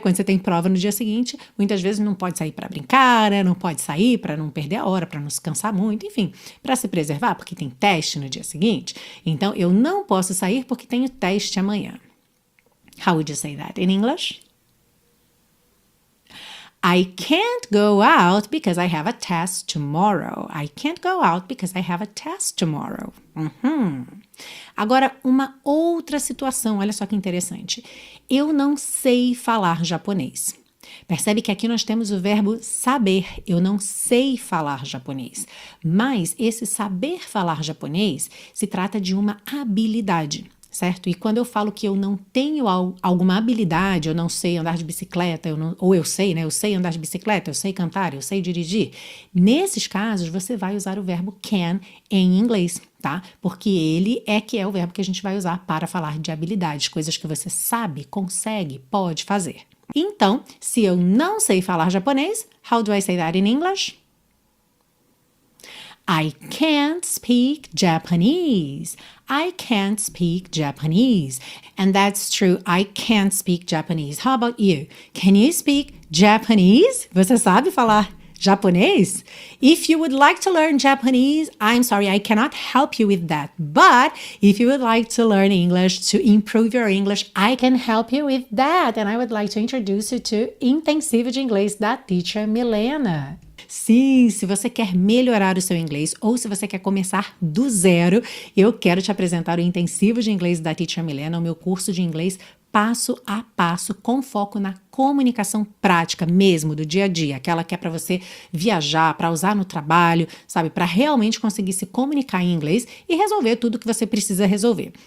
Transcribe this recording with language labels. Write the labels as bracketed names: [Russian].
[Portuguese] Quando você tem prova no dia seguinte, muitas vezes não pode sair para brincar, né? Não pode sair para não perder a hora, para não se cansar muito, enfim, para se preservar, porque tem teste no dia seguinte. Então, eu não posso sair porque tenho teste amanhã. [English] How would you say that in English? I can't go out because I have a test tomorrow. I can't go out because I have a test tomorrow. Uhum. [Portuguese] Agora, uma outra situação, olha só que interessante. Eu não sei falar japonês. Percebe que aqui nós temos o verbo saber. Eu não sei falar japonês. Mas esse saber falar japonês se trata de uma habilidade. Certo? E quando eu falo que eu não tenho alguma habilidade, eu não sei andar de bicicleta, eu sei andar de bicicleta, eu sei cantar, eu sei dirigir. Nesses casos, você vai usar o verbo can em inglês, tá? Porque ele é que é o verbo que a gente vai usar para falar de habilidades, coisas que você sabe, consegue, pode fazer. Então, se eu não sei falar japonês, [English] how do I say that in English? I can't speak Japanese. I can't speak Japanese. And that's true. I can't speak Japanese. How about you? Can you speak Japanese? Você sabe falar japonês? If you would like to learn Japanese, I'm sorry, I cannot help you with that. But if you would like to learn English to improve your English, I can help you with that. And I would like to introduce you to Intensivo de Inglês da Teacher Milena. [Portuguese] Sim, se você quer melhorar o seu inglês ou se você quer começar do zero, eu quero te apresentar o Intensivo de Inglês da Teacher Milena, o meu curso de inglês passo a passo, com foco na comunicação prática mesmo, do dia a dia, aquela que é para você viajar, para usar no trabalho, sabe, para realmente conseguir se comunicar em inglês e resolver tudo que você precisa resolver.